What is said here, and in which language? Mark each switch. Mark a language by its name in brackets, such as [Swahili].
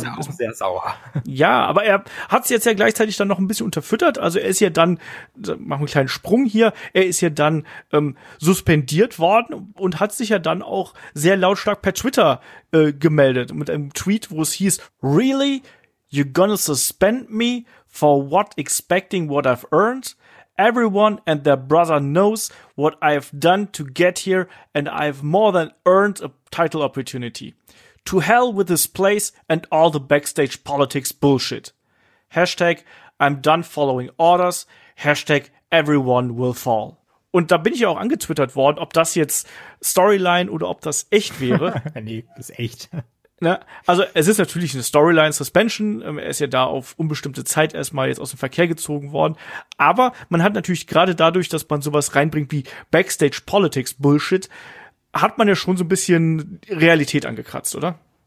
[German] Er ist auch sehr sauer. Ja, aber er hat's jetzt ja gleichzeitig dann noch ein bisschen unterfüttert. Also er ist ja dann, machen wir einen kleinen Sprung hier, er ist ja dann suspendiert worden und hat sich ja dann auch sehr lautstark per Twitter gemeldet mit einem Tweet, wo es hieß, really? [English] You're gonna suspend me for what? Expecting what I've earned? Everyone and their brother knows what I've done to get here and I've more than earned a title opportunity. To hell with this place and all the backstage politics bullshit. Hashtag, I'm done following orders. Hashtag, everyone will fall. [German] Und da bin ich auch angetwittert worden, ob das jetzt Storyline oder ob das echt wäre. Nee, das ist echt. Ne? Also es ist natürlich eine Storyline-Suspension. Er ist ja da auf unbestimmte Zeit erstmal jetzt aus dem Verkehr gezogen worden. Aber man hat natürlich gerade dadurch, dass man sowas reinbringt wie [English] Backstage Politics Bullshit, [German] hat man ja schon so ein bisschen Realität angekratzt, oder?